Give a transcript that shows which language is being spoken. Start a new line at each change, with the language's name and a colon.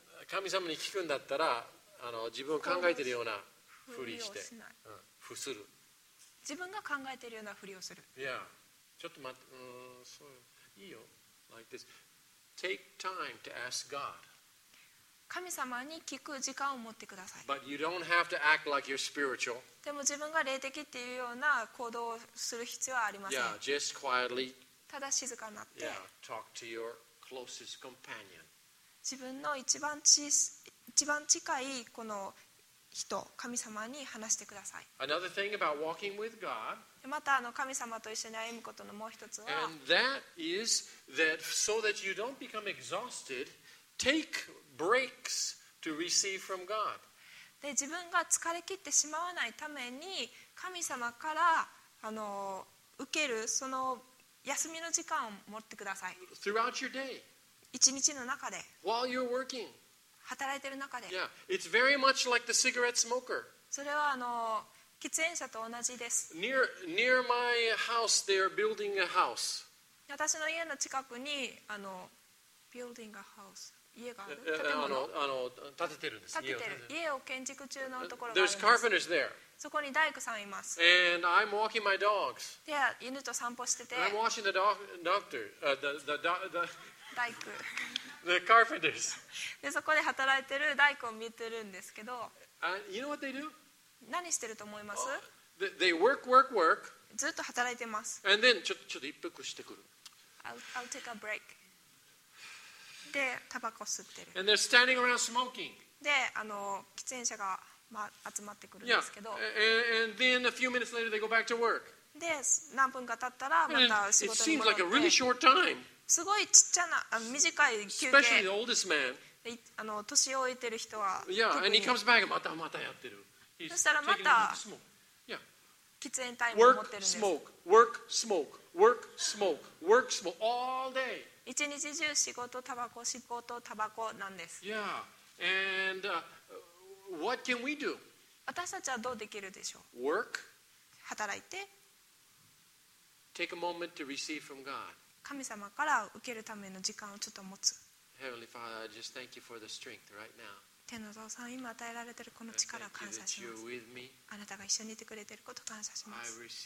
Japanese: 神様に聞くんだったら自分を考えているようなふりして、ふする。自分が考えているようなふりをする。いや、ちょっと待って、うん、そう、いいよ。
English: like this. Take time to ask God.
Japanese: 神様に聞く時間を持ってください。
English: But you don't have to act like you're spiritual.
Japanese: でも自分が霊的っていうような行動をする必要はありません。
English: Yeah, just quietly.
Japanese: ただ静かになって。
English: Yeah, talk to your closest companion.
Japanese: 自分の一番近いこの人、神様に話してください。
English: Another thing about walking with God.
Japanese: またあの神様と一緒に歩むことのもう一つは、
English: And that is that so that you don't become exhausted, take breaks to receive from God.
Japanese: で自分が疲れ切ってしまわないために神様からあの受けるその休みの時間を持ってください。
English: Throughout your day,
Japanese: 一日の中で、
English: while you're working,
Japanese: 働いている中で、
English: yeah, it's very much like the cigarette smoker.
Japanese: それはあの喫煙者と同じです。
English: Near my house, they are building a house.
Japanese: 私の家の近くにあの
English: building a house
Japanese: 家がある建物を建ててるんです。建ててる家を建築中のところがあるんです。
English: There's carpenters there.
Japanese: そこに大工さんいます。
English: And I'm walking my dogs.
Japanese: で犬と散歩してて。
English: I'm watching the doctor, the
Japanese: 大工。
English: The carpenters.
Japanese: でそこで働いてる大工を見てるんですけど。
English: You know what they do?
Japanese: 何してると思います？
English: They work, work, work.
Japanese: ずっと働いてます。
English: And then
Japanese: ちょっと一服してくる。
English: I'll take a break.
Japanese: で、タバコ吸ってる。
English: And they're standing around smoking.
Japanese: で、あの喫煙者が、ま、集まってくるんですけど。
English: Yeah. And then a few minutes later they go back to work.
Japanese: で、何分か経ったらまた仕事に戻って。
English: It seems like a really short time.
Japanese: すごいちっちゃな短い休憩。
English: Especially the oldest man.
Japanese: あの年老いてる人は。
English: Yeah, and he comes back and
Japanese: またまたやってる。そしたらまた喫煙タイムを持ってるんです。
English: Work, smoke, work, smoke, work, smoke, work, smoke, all day.
Japanese: 一日中仕事タバコ仕事タバコなんです。
English: Yeah, and what can we do?
Japanese: 私たちはどうできるでしょう。
English: Work.
Japanese: 働いて。
English: Take a moment to receive from God.
Japanese: 神様から受けるための時間をちょっと持つ。
English: Heavenly Father, I just thank you for the strength right now.
Japanese: 天の父さん、今与えられているこの力を感謝します。あなたが一緒にいてくれていることを感謝します。